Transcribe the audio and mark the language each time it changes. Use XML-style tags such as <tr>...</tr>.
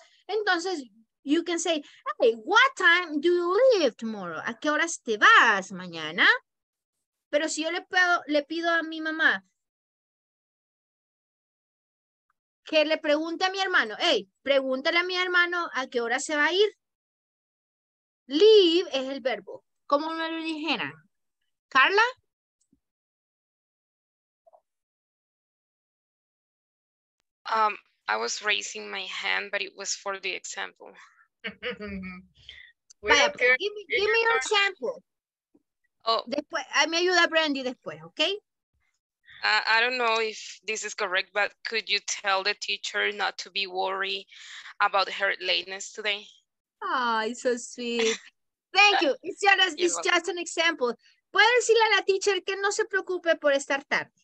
<en>Entonces, you can say, hey, what time do you leave tomorrow?</en> <es>¿A qué horas te vas mañana? Pero si yo le pido a mi mamá que le pregunte a mi hermano, hey, pregúntale a mi hermano a qué hora se va a ir. Leave es el verbo. ¿Cómo me lo dijera? ¿Carla?</es> <en>I was raising my hand, but it was for the example. Vaya, give me your example. Oh.</en> <es>Después, me ayuda Brandy después, okay?</es> <en>I don't know if this is correct, but could you tell the teacher not to be worried about her lateness today? Oh, it's so sweet. Thank you. It's just an example.</en> <es>Puede decirle a la teacher que no se preocupe por estar tarde.</es>